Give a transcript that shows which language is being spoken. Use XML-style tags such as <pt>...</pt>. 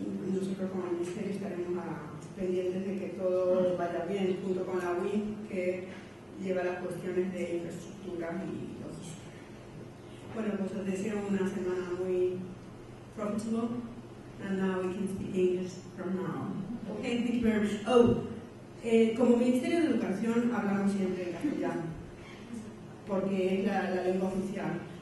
<es>Nosotros como Ministerio estaremos pendientes de que todo vaya bien, junto con la UIN, que lleva las cuestiones de infraestructura y los... Bueno, pues os deseo una semana muy profitable.</es> <en>And now we can speak English from now. Okay, thank you very much.</en> <es>Oh, como Ministerio de Educación hablamos siempre en castellano, porque es la lengua oficial.</es>